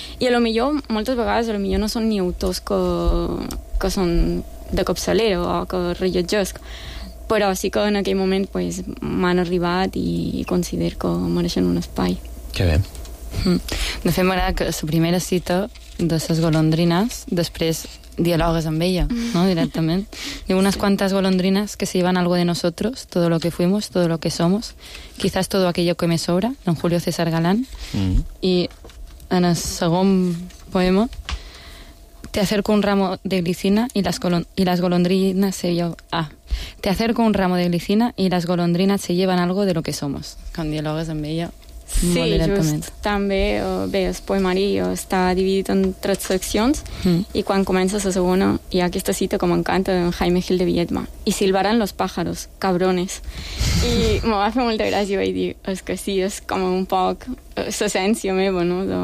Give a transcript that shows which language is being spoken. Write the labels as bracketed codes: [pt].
[ca] I a lo millor, moltes vegades, a lo millor no són ni autors que són de capçalera o que rellotgesc, però sí que en aquell moment pues, m'han arribat i considero que mereixen un espai. Que bé. De fet, m'agrada que la primera cita de ses golondrines, després dialogues amb ella, no?, directament. Diu: [es] unas cuantas golondrinas que se llevan algo de nosotros, todo lo que fuimos, todo lo que somos, quizás todo aquello que me sobra, don Julio César Galán. [ca] I en el segon poema: [es] te acerco un ramo de glicina y las golondrinas se llevan... te acerco un ramo de glicina y las golondrinas se llevan algo de lo que somos. [ca] Quan dialogues amb ella... Sí, just. També, bé, el poemari està dividit en tres seccions i quan comença la segona hi ha aquesta cita que m'encanta d'en Jaime Gil de Viedma: i [es] silbaran los pájaros, cabrones. [ca] I me va fer molta gràcia i vaig dir, és que sí, és com un poc l'essència meva, no?